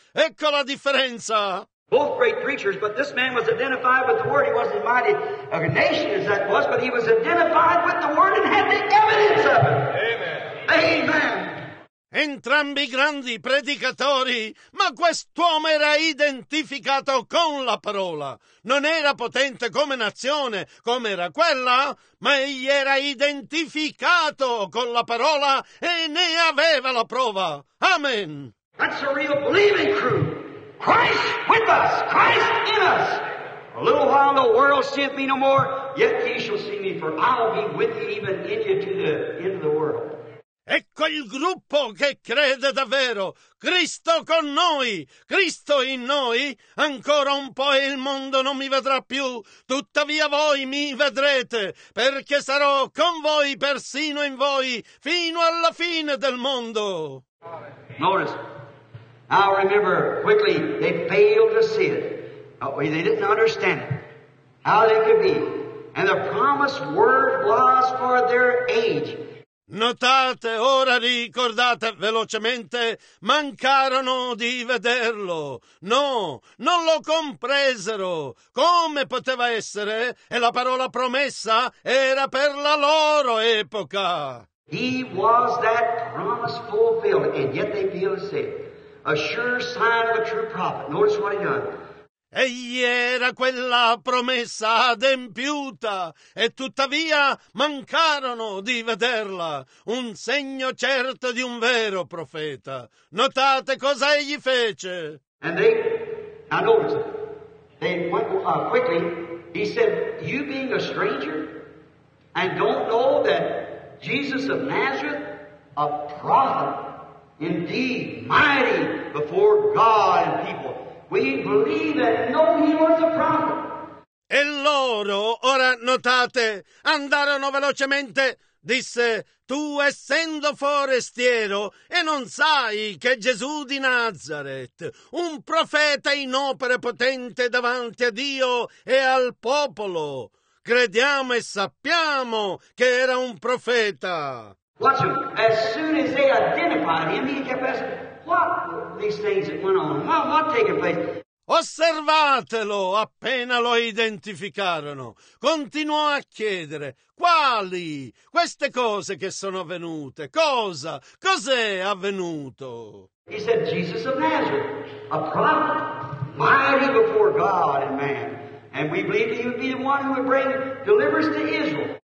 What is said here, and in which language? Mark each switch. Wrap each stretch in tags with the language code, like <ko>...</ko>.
<it>Ecco la differenza.</it> <en>Both great preachers, but this man was identified with the word. He wasn't mighty of a nation as that was, but he was identified with the word and had the evidence of it. Amen. Amen.</en> <it>Entrambi grandi predicatori, ma quest'uomo era identificato con la parola. Non era potente come nazione, come era quella, ma egli era identificato con la parola e ne aveva la prova.</it> <en>Amen. That's a real believing crew. Christ with us, Christ in us. A little while the world seeth me no more, yet ye shall see me, for I'll be with you even in you to the end of the world.</en> <it>Ecco il gruppo che crede davvero. Cristo con noi, Cristo in noi. Ancora un po' e il mondo non mi vedrà più. Tuttavia voi mi vedrete, perché sarò con voi persino in voi, fino alla fine del mondo.</it> <en>Notice, I remember quickly, they failed to see it. They didn't understand it. How they could be. And the promised word was for their age.</en> <it>Notate, ora ricordate velocemente, mancarono di vederlo. No, non lo compresero. Come poteva essere? E la parola promessa era per la loro epoca.</it> <en>He was that promise fulfilled, and yet they failed to see it. A sure sign of a true prophet. Notice what he done.</en> <it>Egli era quella promessa adempiuta, e tuttavia mancarono di vederla, un segno certo di un vero profeta. Notate cosa egli fece.</it> <en>And they, now notice, they went quickly, he said, you being a stranger, and don't know that Jesus of Nazareth, a prophet, indeed mighty before God and people. We believe and know he was a prophet.</en> <it>E loro, ora notate, andarono velocemente, disse, tu essendo forestiero e non sai che Gesù di Nazareth, un profeta in opere potente davanti a Dio e al popolo, crediamo e sappiamo che era un profeta.</it> <en>Watch him. As soon as they identified him, he kept asking, What these things that went on? What taking place?</en> <it>Osservatelo appena lo identificarono. Continuò a chiedere quali queste cose che sono avvenute. Cosa? Cos'è avvenuto?</it> <en>He said, Jesus of Nazareth, a prophet, mighty before God and man. And we believe that he would be the one who would bring deliverance to Israel.</en>